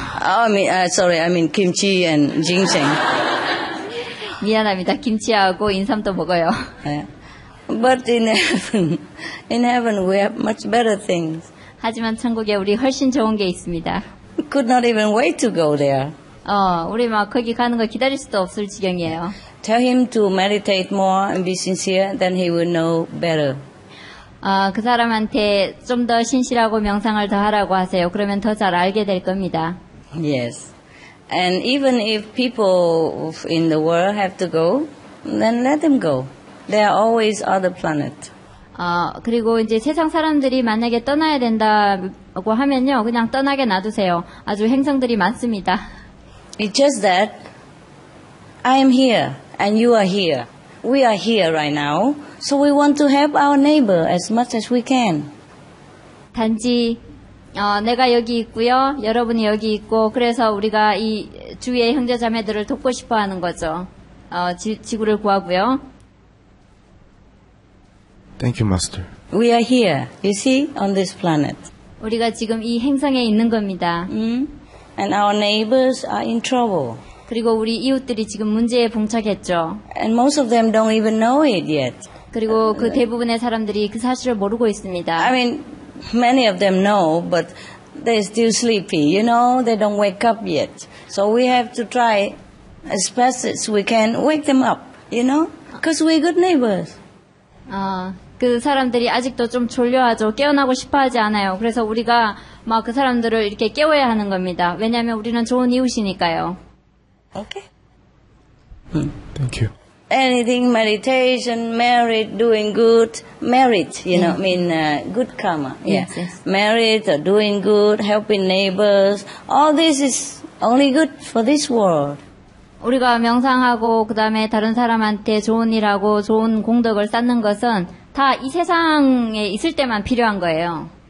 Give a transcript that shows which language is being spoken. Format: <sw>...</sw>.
<en>I mean kimchi and ginseng.</en> <ko>미안합니다. 김치하고 인삼도 먹어요.</ko> <en>But in heaven we have much better things.</en> <ko>하지만 천국에 우리 훨씬 좋은 게 있습니다.</ko> <en>Could not even wait to go there.</en> <ko>우리 막 거기 가는 걸 기다릴 수도 없을 지경이에요.</ko> <en>Tell him to meditate more and be sincere, then he will know better.</en> <ko>그 사람한테 좀 더 신실하고 명상을 더 하라고 하세요. 그러면 더 잘 알게 될 겁니다.</ko> <en>Yes. And even if people in the world have to go, then let them go. There are always other planets.</en> <ko>그리고 이제 세상 사람들이 만약에 떠나야 된다고 하면요, 그냥 떠나게 놔두세요. 아주 행성들이 많습니다.</ko> <en>It's just that I am here and you are here. We are here right now, so we want to help our neighbor as much as we can.</en> <ko>단지 내가 여기 있고요, 여러분이 여기 있고, 그래서 우리가 이 주위의 형제 자매들을 돕고 싶어 하는 거죠. 지구를 구하고요.</ko> <en>Thank you, Master. We are here, you see, on this planet.</en> <ko>우리가 지금 이 행성에 있는 겁니다.</ko> <en>And our neighbors are in trouble.</en> <ko>그리고 우리 이웃들이 지금 문제에 봉착했죠.</ko> <en>And most of them don't even know it yet.</en> <ko>그리고 그 대부분의 사람들이 그 사실을 모르고 있습니다.</ko> <en>I mean, many of them know, but they're still sleepy. You know, they don't wake up yet. So we have to try as best as we can wake them up, you know? Because we're good neighbors.</en> <ko>그 사람들이 아직도 좀 졸려하죠. 깨어나고 싶어 하지 않아요. 그래서 우리가 막 그 사람들을 이렇게 깨워야 하는 겁니다. 왜냐하면 우리는 좋은 이웃이니까요.</ko> <en>Okay. Thank you. Anything, meditation, merit, doing good, merit, you know, mean good karma. Yes, yeah. Yes. Merit, or doing good, helping neighbors, all this is only good for this world.</en> <ko>우리가 명상하고 그 다음에 다른 사람한테 좋은 일하고 좋은 공덕을 쌓는 것은 다 이 세상에 있을 때만 필요한 거예요.</ko>